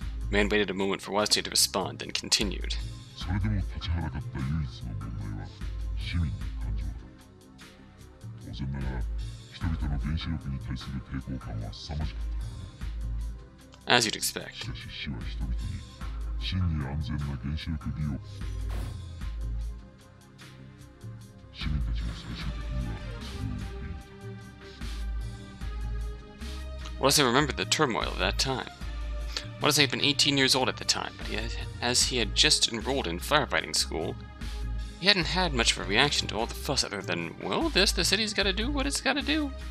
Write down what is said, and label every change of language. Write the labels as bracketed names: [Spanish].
[English] Man waited a moment for Watase to respond, then continued. [Japanese] それでも立ちはだかった唯一の問題は市民の感情だ。当然なら人々の原子力に対する抵抗感は凄まじかった。 [English] As you'd expect. [Japanese] しかし市は人々に真に安全な原子力利用、市民たちも最終的にはそれを受け入れた。 [English] Watase remembered the turmoil of that time. Watase had been 18 years old at the time, but as he had just enrolled in firefighting school, he hadn't had much of a reaction to all the fuss other than, well, this, the city's gotta do what it's gotta do.